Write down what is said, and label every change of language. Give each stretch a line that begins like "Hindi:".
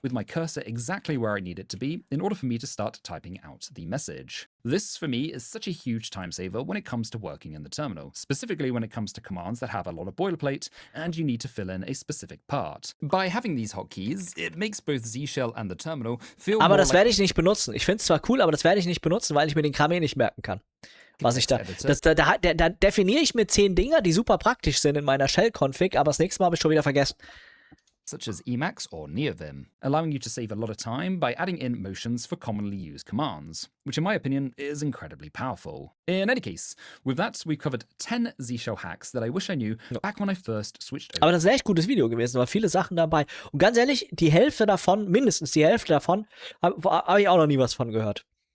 English: With my cursor exactly where I need it to be in order for me to start typing out the message. This, for me, is such a huge time saver when it comes to working in the terminal, specifically when it comes to commands that have a lot of boilerplate and you need to fill in a specific part. By having these hotkeys, it makes both Z-Shell and the terminal feel
German: aber das werde ich nicht benutzen. Ich finde es zwar cool, aber das werde ich nicht benutzen, weil ich mir den Kram nicht merken kann. Was ich da definiere ich mir 10 Dinger, die super praktisch sind in meiner Shell-Config, aber das nächste Mal habe ich schon wieder vergessen.
English: Such as Emacs or NeoVim, allowing you to save a lot of time by adding in motions for commonly used commands, which in my opinion is incredibly powerful. In any case, with that we've covered 10 Z-Shell hacks that I wish I knew back when I first switched over.
German: Aber das ist ein echt gutes Video gewesen, da waren viele Sachen dabei. Und ganz ehrlich, die Hälfte davon, mindestens die Hälfte davon, hab ich auch noch nie was von gehört.